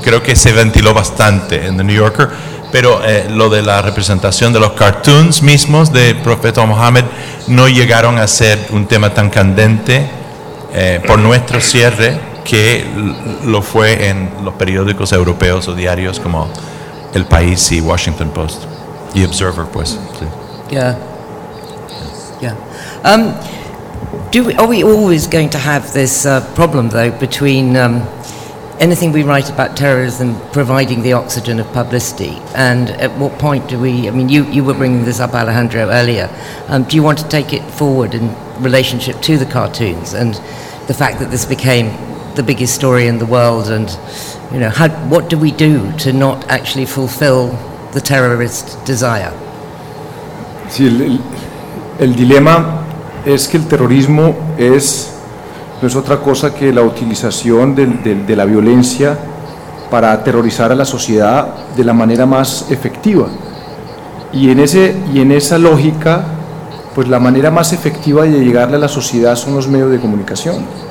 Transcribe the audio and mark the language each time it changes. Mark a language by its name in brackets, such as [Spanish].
[Spanish] Creo que se ventiló bastante en The New Yorker, pero lo de la representación de los cartoons mismos de Profeta Muhammad no llegaron a ser un tema tan candente por nuestro cierre que lo fue en los periódicos europeos o diarios como El País y Washington Post y Observer, pues. Sí. [English] Yeah. Yeah. Are we always going to have this problem, though, between anything we write about terrorism providing the oxygen of publicity? And at what point do we? I mean, you were bringing this up, Alejandro, earlier. Do you want to take it forward in relationship to the cartoons and the fact that this became the biggest story in the world, and, you know, what do we do to not actually fulfill the terrorist desire? [Spanish] Sí, el dilema es que el terrorismo no es otra cosa que la utilización de la violencia para aterrorizar a la sociedad de la manera más efectiva. Y en esa lógica, pues la manera más efectiva de llegarle a la sociedad son los medios de comunicación.